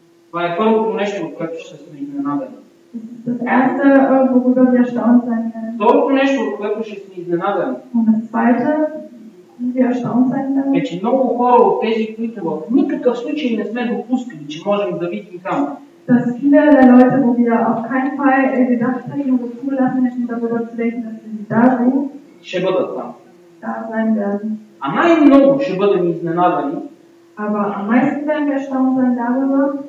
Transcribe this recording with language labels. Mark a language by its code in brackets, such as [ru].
[bg] това е първото нещо, от което ще сме изненадани. [de] Das erste, worüber wir erstaunt sein werden. [bg] Нещо, от което ще сме изненадани. [de] Und das zweite, worüber wir erstaunt sein werden. [bg] Е, че много хора от тези, които в никакъв случай не сме допускали, че можем да видим там. [de] Dass viele der Leute, wo wir auf keinen Fall gedacht haben und zugelassen hätten, darüber zu reden, dass sie da sind. [bg] Ще бъдат там. [de] Da sein werden. [bg] А най-много ще бъдем изненадани. [de] Aber am meisten werden wir erstaunt sein darüber.